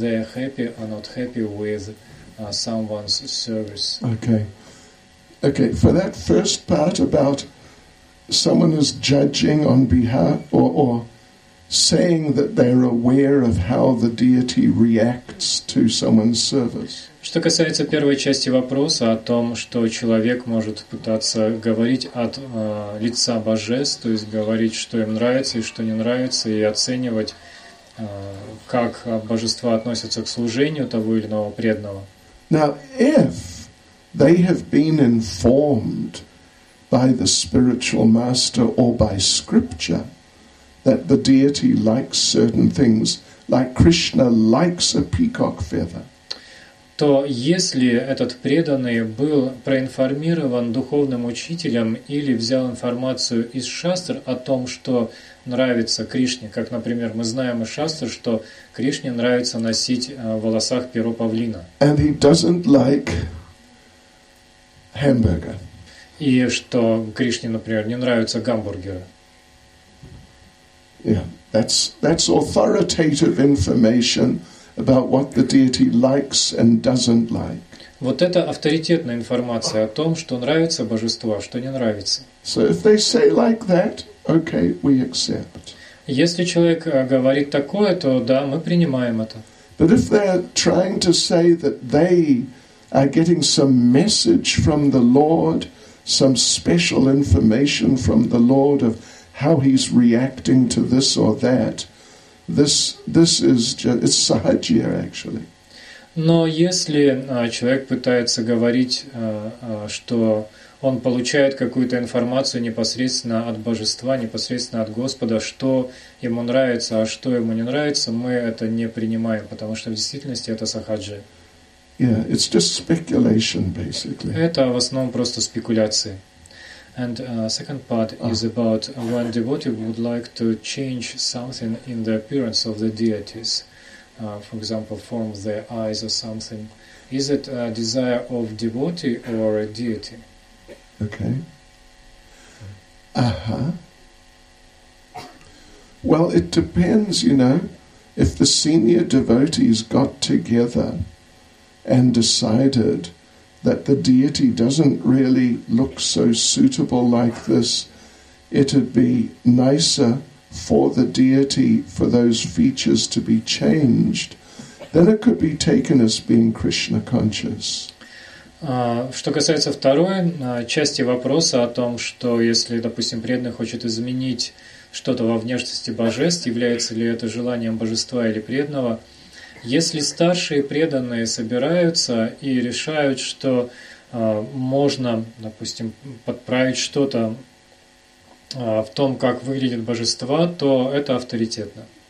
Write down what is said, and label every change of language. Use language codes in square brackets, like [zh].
[en] They are happy or not happy with someone's service. Okay. For that first part about someone is judging on behalf or saying that they're aware of how the deity reacts to someone's service. [ru] Что касается первой части вопроса о том, что человек может пытаться говорить от лица божеств, то есть говорить, что им нравится и что не нравится, и оценивать, как божества относятся к служению того или иного преданного. [en] Now, if they have been informed by the spiritual master or by scripture that the deity likes certain things, like Krishna likes a peacock feather, [ru] то если этот преданный был проинформирован духовным учителем или взял информацию из шастр о том, что нравится Кришне, как, например, мы знаем из шастр, что Кришне нравится носить в волосах перо павлина. [en] And he doesn't like hamburger. [ru] И что Кришне, например, не нравятся гамбургеры. [en] Yeah, that's authoritative information about what the deity likes and doesn't like. [ru] Вот это авторитетная информация о том, что нравится божеству, а что не нравится. [en] So if they say like that, okay, we accept. [ru] Если человек говорит такое, то да, мы принимаем это. [en] But if they're trying to say that they are getting some message from the Lord, some special information from the Lord of how he's reacting to this or that, This is just, it's sahajya, actually. [ru] Но если человек пытается говорить, что он получает какую-то информацию непосредственно от божества, непосредственно от Господа, что ему нравится, а что ему не нравится, мы это не принимаем, потому что в действительности это сахаджи. [en] Yeah, it's just speculation, basically. [ru] Это в основном просто спекуляции. [en] And second part is about when devotee would like to change something in the appearance of the deities, for example, form of their eyes or something. Is it a desire of devotee or a deity? Okay. Uh-huh. Well, it depends, you know, if the senior devotees got together and decided that the deity doesn't really look so suitable like this, it'd be nicer for the deity for those features to be changed, then it could be taken as being Krishna conscious. [ru] Что касается второй части вопроса о том, что если, допустим, преданный хочет изменить что-то во внешности божеств, является ли это желанием божества или преданного, если старшие преданные собираются и решают, что можно, допустим, подправить что-то в том, как выглядит божество, то это авторитетно.